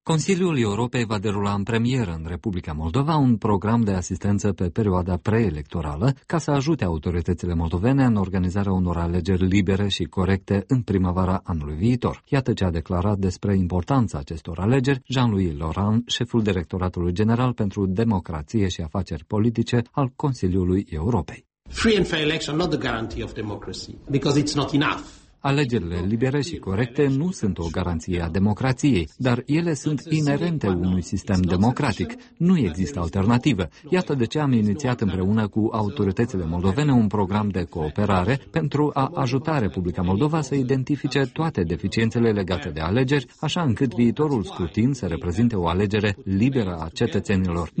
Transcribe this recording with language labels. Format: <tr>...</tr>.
<ro>Consiliul Europei va derula în premieră în Republica Moldova un program de asistență pe perioada preelectorală ca să ajute autoritățile moldovene în organizarea unor alegeri libere și corecte în primăvara anului viitor. Iată ce a declarat despre importanța acestor alegeri Jean-Louis Laurens, șeful Directoratului General pentru Democrație și Afaceri Politice al Consiliului Europei.</ro> <en>Free and fair election not the guarantee of democracy because it's not enough.</en> <ro>Alegerile libere și corecte nu sunt o garanție a democrației, dar ele sunt inerente unui sistem democratic. Nu există alternativă. Iată de ce am inițiat împreună cu autoritățile moldovene un program de cooperare pentru a ajuta Republica Moldova să identifice toate deficiențele legate de alegeri, așa încât viitorul scrutin să reprezinte o alegere liberă a cetățenilor.</ro>